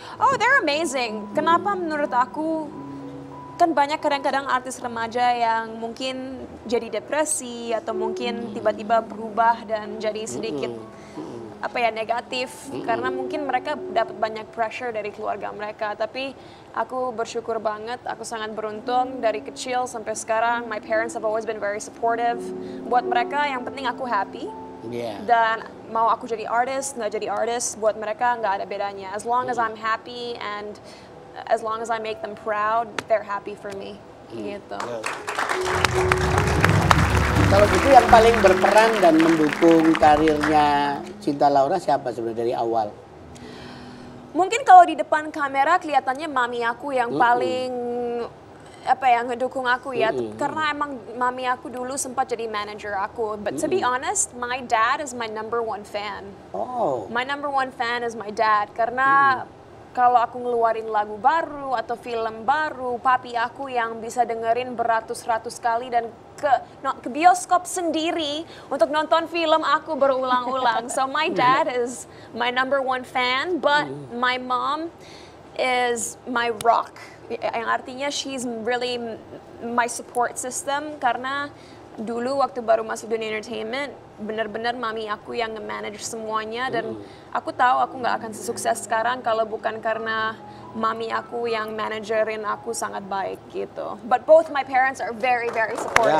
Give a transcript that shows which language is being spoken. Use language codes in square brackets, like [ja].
[en] Oh, they're amazing. [id] Kenapa menurut aku, kan banyak kadang-kadang artis remaja yang mungkin jadi depresi atau mungkin tiba-tiba berubah dan jadi sedikit apa ya negatif karena mungkin mereka dapat banyak pressure dari keluarga mereka, tapi aku bersyukur banget, aku sangat beruntung dari kecil sampai sekarang [en] my parents have always been very supportive. [id] Buat mereka yang penting aku happy. Dan mau aku jadi artis, enggak jadi artis, buat mereka enggak ada bedanya. [en] As long as I'm happy and as long as I make them proud, they're happy for me. [id] Gitu. Kalau gitu yang paling berperan dan mendukung karirnya Cinta Laura siapa sebenarnya dari awal? Mungkin kalau di depan kamera kelihatannya mami aku yang paling apa yang ngedukung aku ya, karena emang mami aku dulu sempat jadi manager aku. [en] But to be honest, my dad is my number one fan. Oh. My number one fan is my dad, [id] karena kalau aku ngeluarin lagu baru atau film baru, papi aku yang bisa dengerin beratus-ratus kali dan ke bioskop sendiri untuk nonton film aku berulang-ulang. [en] So my dad is my number one fan, but my mom is my rock. [id] Yang artinya [en] she's really my support system, [id] karena dulu waktu baru masuk dunia entertainment, benar-benar mami aku yang nge-manage semuanya, dan aku tahu aku nggak akan sesukses sekarang kalau bukan karena mami aku yang managerin aku sangat baik gitu. [en] But both my parents are very very supportive.